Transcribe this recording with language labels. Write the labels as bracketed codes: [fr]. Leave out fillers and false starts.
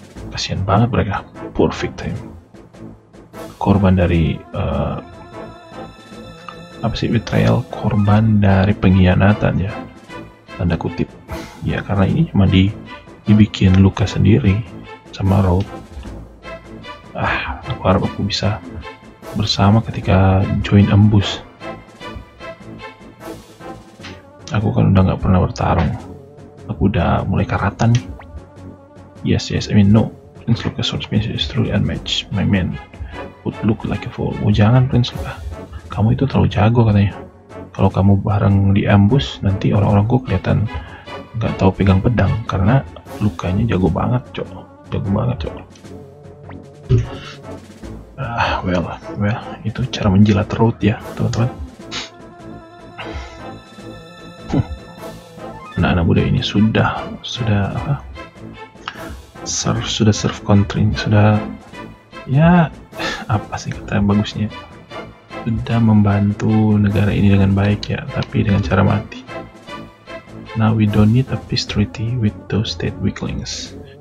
[id] Kasihan banget mereka, poor victim, korban dari apa sih, betrayal, korban dari pengkhianatan ya, tanda kutip ya, karena ini cuma dibikin luka sendiri sama Road. Ah, aku harap aku bisa bersama ketika join embus. Aku kan udah gak pernah bertarung, aku udah mulai karatan nih. [en] Yes, I mean no, Prince Luka's swordsman is truly unmatched, my man would look like a fool. [id] Oh jangan Prince Luka, kamu itu terlalu jago katanya. Kalau kamu bareng di ambus, nanti orang-orangku kelihatan nggak tahu pegang pedang karena lukanya jago banget, cok. Jago banget, cok. Ah, well, itu cara menjilat Road ya, teman-teman. Anak-anak muda ini sudah serve country, sudah ya apa sih kata yang bagusnya? Sudah membantu negara ini dengan baik ya, tapi dengan cara mati. [en] Now we don't need a peace treaty with those state weaklings.